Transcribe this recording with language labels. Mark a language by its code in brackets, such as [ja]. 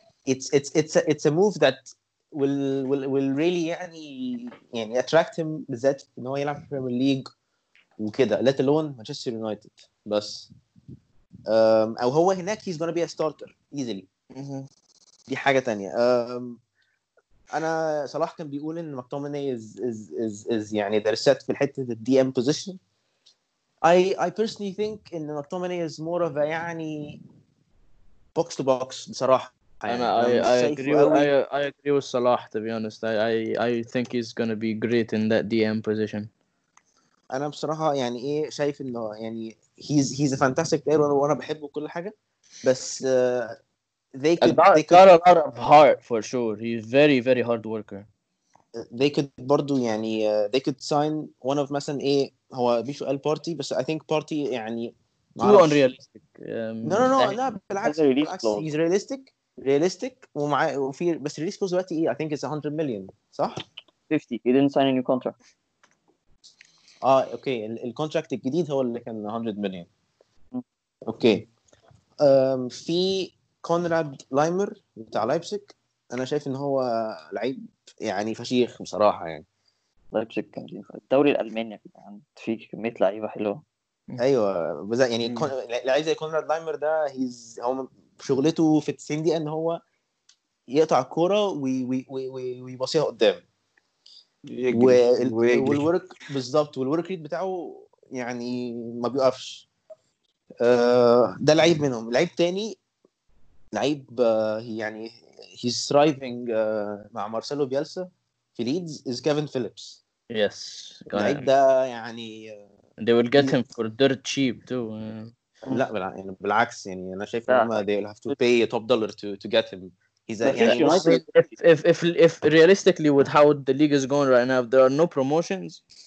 [en] it's a move that will really [ar] يعني attract him بالذات ان هو يلعب في البريمير ليج وكده [en] let alone Manchester United [ar] بس او هو هناك [en] he's gonna be a starter easily [ar] دي حاجة تانية انا صلاح كان بيقول ان مكتوميني is يعني درست في الحتة [en] the DM position I personally think [ar] ان مكتوميني [en] is more of a [ar] يعني [en] box to box [ar] بصراحة [en] I agree with Salah to be honest I think he's gonna be great in that DM position. [ar] أنا بصراحة يعني إيه شايف إنه يعني [en] he's a fantastic player [ar] وأنا بحبه كل حاجة بس [en] they could got a lot of heart for sure. He's very very hard worker. They could [ar] برضو يعني [en] they could sign one of [ar] مثلا إيه هو [en] بيشو ال بارتي بس I think بارتي يعني too unrealistic. No بالعكس he's realistic. Realistic [ar] ومعي بس [en] release clause [ar] دلوقتي [en] I think it's 100 million [ar] صح [en] 50 he didn't sign a new contract [ar] okay ال contract الجديد هو اللي كان 100 million okay في كونراد لايمر بتاع لايبزيج أنا شايف إن هو لعيب يعني فشيخ بصراحة يعني لايبزيج كان الدوري الألماني يعني في كمية لعيبة حلوة ايوه بالظبط يعني لعيب زي كونراد لايمر ده هيز هو شغلته في 90 دقيقه ان هو يقطع الكوره ويباصيها قدام والورك بالظبط والورك ريت بتاعه يعني ما بيقفش. ده لعيب منهم. لعيب تاني لعيب يعني [en] he's thriving [ar] مع مارسيلو بيلسا في ليدز [en] is [ar] كيفن فيليبس. [en] yes [ar] لعيب ده يعني [en] they will get him for dirt cheap too. [ar] لا بالع- يعني بالعكس يعني أنا شايف إنهم [en] they will have to pay a top dollar to get him. he's a يعني if realistically with how the league is going right now if there are no promotions.